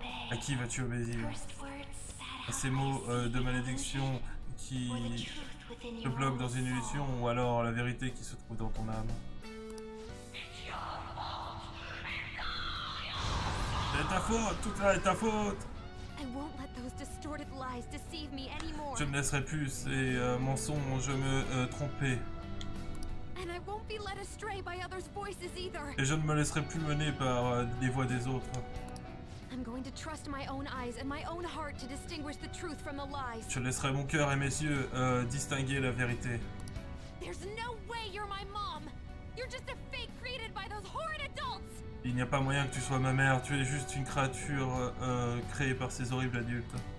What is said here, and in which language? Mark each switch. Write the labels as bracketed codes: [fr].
[fr] À qui vas-tu obéir? À ces mots de malédiction qui... Le bloc dans une illusion ou alors la vérité qui se trouve dans ton âme. C'est ta faute, tout ça est ta faute. [en] I won't let those distorted lies deceive me anymore. [fr] Je ne laisserai plus ces mensonges me tromper. [en] And I won't be led astray by others' voices either. [fr] Et je ne me laisserai plus mener par les voix des autres. [en] I'm going to trust my own eyes and my own heart to distinguish the truth from the lies. [fr] Je laisserai mon cœur et mes yeux distinguer la vérité. [en] There's no way you're my mom. You're just a fake created by those horrid adults. [fr] Il n'y a pas moyen que tu sois ma mère. Tu es juste une créature créée par ces horribles adultes.